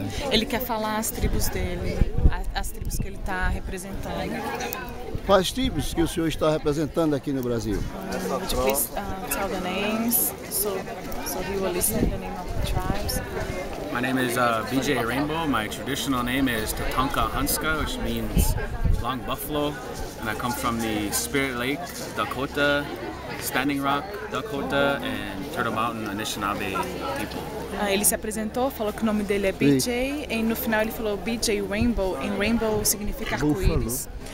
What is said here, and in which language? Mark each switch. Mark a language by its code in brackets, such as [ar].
[pt] Ele quer falar as tribos dele, as tribos que ele está representando. Quais tribos que o senhor está representando aqui no Brasil? [en] Would you please tell the names so he will listen the name of the tribes? My name is BJ Rainbow. My traditional name is Tatanka Hanska, which means long buffalo, and I come from the Spirit Lake Dakota, Standing Rock Dakota, and Turtle Mountain Anishinaabe people. [pt] Ele se apresentou, falou que o nome dele é BJ, e no final ele falou BJ Rainbow, e Rainbow significa arco-íris.